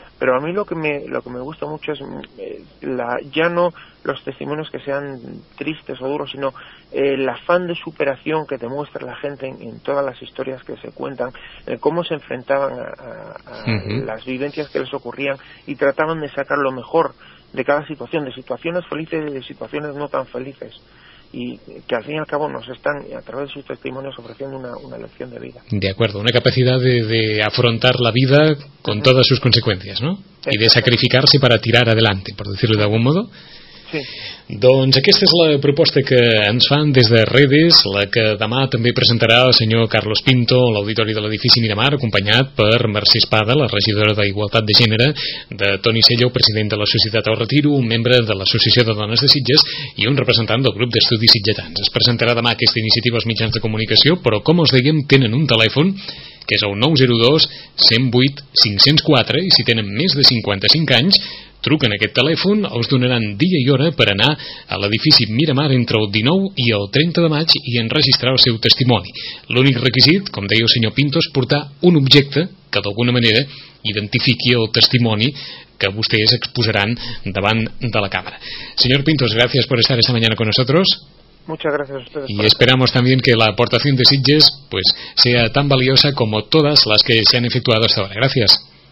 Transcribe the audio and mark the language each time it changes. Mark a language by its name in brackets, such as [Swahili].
[Spanish] Pero a mí lo que me gusta mucho es ya no los testimonios que sean tristes o duros, sino el afán de superación que demuestra la gente en todas las historias que se cuentan, cómo se enfrentaban a las vivencias que les ocurrían y trataban de sacar lo mejor de cada situación, de situaciones felices y de situaciones no tan felices, y que al fin y al cabo nos están, a través de sus testimonios, ofreciendo una lección de vida. De acuerdo, una capacidad de afrontar la vida con todas sus consecuencias, ¿no? Y de sacrificarse para tirar adelante, por decirlo de algún modo. Sí. [Catalan] Doncs aquesta és la proposta que ens fan des de Redes, la que demà també presentarà el senyor Carlos Pinto a l'auditori de l'edifici Miramar, acompanyat per Mercè Espada, la regidora d'Igualtat de Gènere, de Toni Sello, president de la Societat El Retiro, un membre de l'Associació de Dones de Sitges i un representant del grup d'estudis sitgetans. Es presentarà demà aquesta iniciativa als mitjans de comunicació, però com us dèiem, tenen un telèfon que és el 902-108-504 i si tenen més de 55 anys truquen aquest telèfon, els donaran dia i hora per anar a l'edifici Miramar entre el 19 i el 30 de maig i enregistrar el seu testimoni. L'únic requisit, com deia el senyor Pinto, és portar un objecte que d'alguna manera identifiqui el testimoni que vostès exposaran davant de la càmera. Senyor Pintos, gràcies per estar [Spanish] esta mañana con nosotros. Muchas gracias a ustedes. Y esperamos también que la aportación de Sitges pues sea tan valiosa como todas las que se han efectuado hasta ahora. Gracias.